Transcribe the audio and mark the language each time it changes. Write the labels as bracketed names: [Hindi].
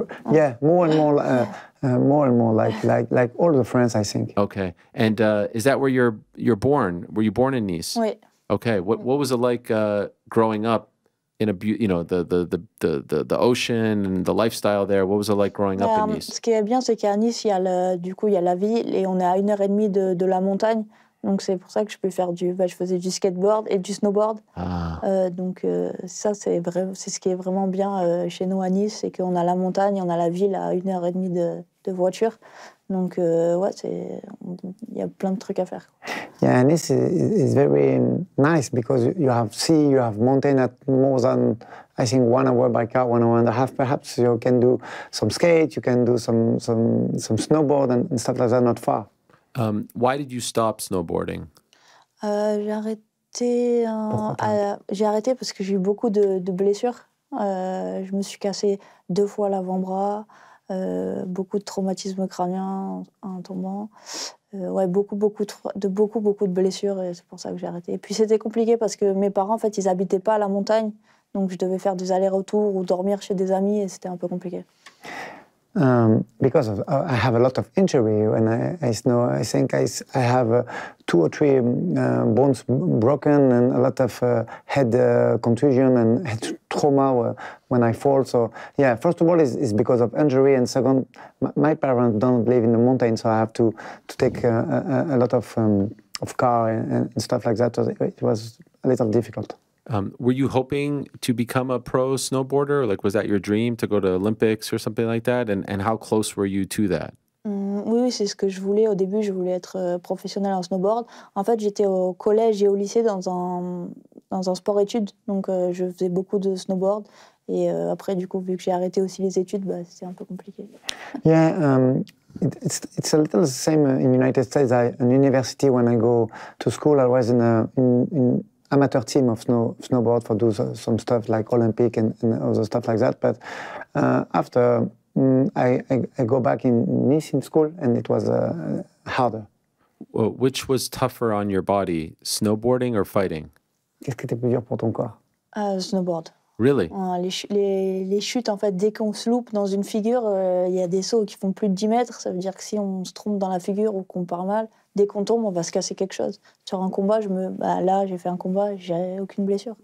[English] Yeah, more and more like all the friends, I think. Okay, and is that where you're born? Were you born in Nice? [French] Oui. [English] Okay, what was it like growing up in a the ocean and the lifestyle there? What was it like growing up in Nice? [French] Ce qui est bien, c'est qu'à Nice, il y a la ville et on est à 1h30 de la montagne. Donc c'est pour ça que je peux faire je faisais du skateboard et du snowboard. Ah. Ça c'est ce qui est vraiment bien chez nous à Nice, c'est qu'on a la montagne, on a la ville à 1h30 de voiture. Donc ouais, c'est il y a plein de trucs à faire. [English] Yeah, Nice is very nice because you have sea, you have mountain at more than I think 1 hour by car, 1.5 hours perhaps. You can do some skate, you can do some snowboard and stuff like that not far. Why did you stop snowboarding? [French] J'ai arrêté parce que j'ai eu beaucoup de blessures. Je me suis cassé deux fois l'avant-bras, beaucoup de traumatismes crâniens en tombant. Ouais, beaucoup de blessures, et c'est pour ça que j'ai arrêté. Et puis c'était compliqué parce que mes parents, en fait, ils habitaient pas à la montagne, donc je devais faire des allers-retours ou dormir chez des amis, et c'était un peu compliqué. [English] Because I have a lot of injury when I snow. I think I have two or three bones broken and a lot of head contusion and head trauma when I fall. So yeah, first of all, it's because of injury, and second, my parents don't live in the mountain, so I have to take a lot of car and stuff like that. So it was a little difficult. Were you hoping to become a pro snowboarder? Like, was that your dream to go to Olympics or something like that? And how close were you to that? [French] Oui, continuer, c'est ce que je voulais au début. Je voulais être professionnelle en snowboard. En fait, j'étais au collège et au lycée dans un sport-études. Donc, je faisais beaucoup de snowboard. Et après, du coup, vu que j'ai arrêté aussi les études, bah, c'était un peu compliqué. [English] Yeah, it's a little the same in the United States. In university, when I go to school, I was in an amateur team of snowboard for do some stuff like Olympic and other stuff like that. But after I go back in Nice in school, and it was harder. Well, which was tougher on your body, snowboarding or fighting? [French] Qu'est-ce qui était plus dur pour ton corps? Snowboard. [English] Really? [French] Les chutes, en fait, dès qu'on se loupe dans une figure, il y a des sauts qui font plus de 10 mètres. Ça veut dire que si on se trompe dans la figure ou qu'on part mal, dès qu'on tombe, on va se casser quelque chose. Sur un combat, j'ai fait un combat, j'ai aucune blessure.